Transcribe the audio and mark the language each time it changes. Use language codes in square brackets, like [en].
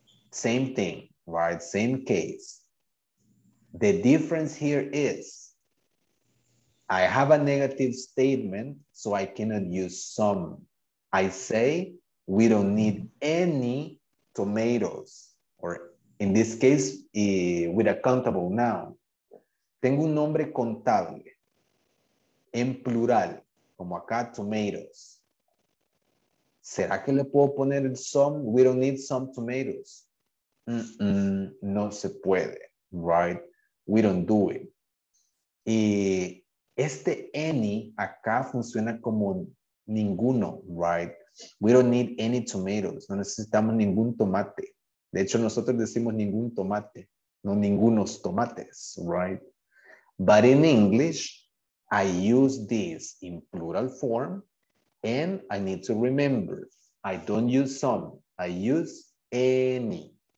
[en] Same thing, right? Same case. The difference here is I have a negative statement, so I cannot use some. I say we don't need any tomatoes, or in this case, with a countable noun. [es] Tengo un nombre contable en plural, como acá, tomatoes. ¿Será que le puedo poner el some? [en] We don't need some tomatoes. Mm-mm, [es] no se puede, [en] right? We don't do it. [es] Y este any acá funciona como ninguno, right? [en] We don't need any tomatoes. [es] No necesitamos ningún tomate. De hecho, nosotros decimos ningún tomate, no ningunos tomates, right? [en] But in English, I use this in plural form, and I need to remember, I don't use some, I use any.